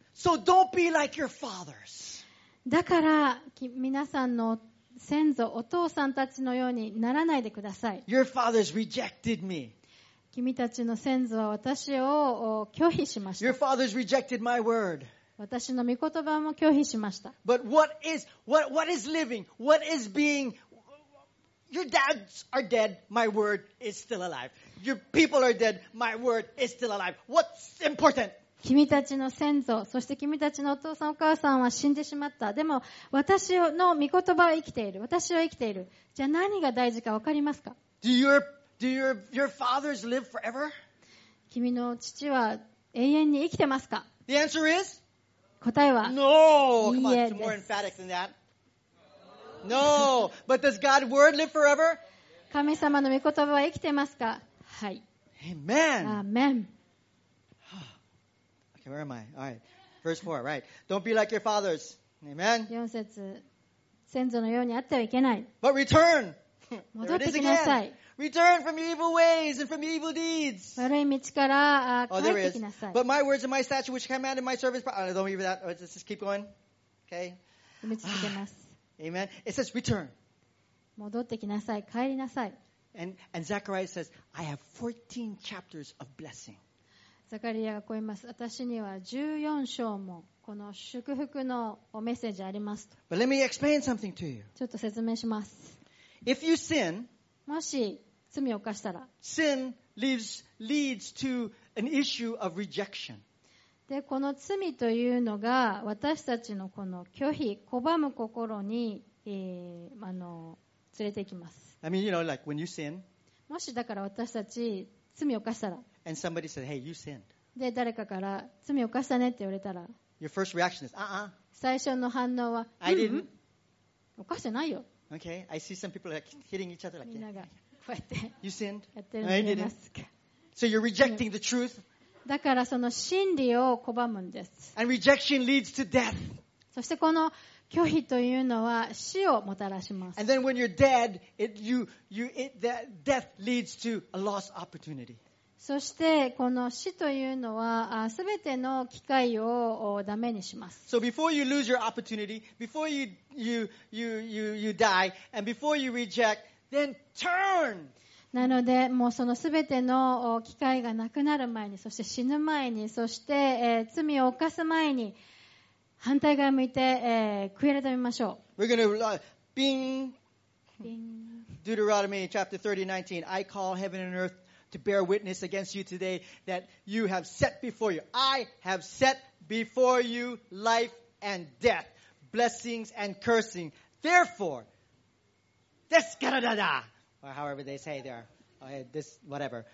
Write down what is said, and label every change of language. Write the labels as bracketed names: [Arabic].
[English] So don't be like your fathers. [Japanese] だから皆さんの先祖お父さんたちのようにならないでください。 [English] Your fathers rejected me. [Japanese] 君たちの先祖は私を拒否しました。 [English] Your fathers rejected my word. [Japanese] 私の御言葉も拒否しました。 [English] But what is living? What is being? Your dads are dead. My word is still alive. Your people are dead. My word is still alive. What's important? [Japanese] 君たちの先祖、そして君たちのお父さんお母さんは死んでしまった。でも私の御言葉は生きている。私は生きている。じゃあ何が大事かわかりますか？ [English] Do your fathers live forever? [Japanese] 君の父は永遠に生きてますか？ [English] The answer is? [Japanese] 答えは [English] No! [Japanese] いいえです。 [English] Come on, it's more emphatic than that. No! But does God's word live forever? [Japanese] 神様の御言葉は生きてますか？はい。 [English] Amen! Amen! Okay, where am I? Alright. Verse 4, right. Don't be like your fathers. Amen! [Japanese] 4節。先祖のようにあってはいけない。 [English] But return! [Japanese] 戻ってきなさい。 [English] Return from evil ways and from evil deeds. [Japanese] 悪い道から帰ってきなさい。 [English] But my words and my statutes which commanded my servants. Oh, don't leave that. Let's just keep going. Okay. [Japanese] 見つけます。 [English] Amen. It says return. [Japanese] 戻ってきなさい。帰りなさい。 [English] And Zechariah says, I have 14 chapters of blessing. [Japanese] ザカリアがこう言います。私には14章もこの祝福のメッセージあります。 [English] But let me explain something to you. [Japanese] ちょっと説明します。 [English] If you sin, [Japanese] もし罪を犯したら、 [English] sin leads to an issue of rejection. [Japanese] で、この罪というのが私たちのこの拒否、拒む心に、連れて行きます。 [English] I mean, you know, like when you sin, [Japanese] もしだから私たち罪を犯したら、 [English] and somebody said, "Hey, you sinned." [Japanese] で、誰かから罪を犯したねって言われたら、 [English] your first reaction is, "Uh-uh." [Japanese] 最初の反応は、 [English] I didn't. [Japanese] 犯してないよ。 [English] Okay, I see some people like hitting each other like that. You sinned. [Japanese] やってるの見えますか? [English] So you're rejecting the truth. [Japanese] だからその真理を拒むんです。 [English] And rejection leads to death. [Japanese] そしてこの拒否というのは死をもたらします。 [English] And then when you're dead, that death leads to a lost opportunity. [Japanese] そしてこの死というのは全ての機会をダメにします。 [English] So before you lose your opportunity, before you die, and before you reject, then turn! [Japanese] なのでもうその全ての機会がなくなる前に、そして死ぬ前に、そして罪を犯す前に反対側向いて悔い改めましょう。 [English] We're gonna bing! Bing! Deuteronomy chapter 30:19 I call heaven and earth to bear witness against you today that you have set before you. I have set before you life and death. Blessings and cursing. Therefore, deskaradada, or however they say there, this, whatever.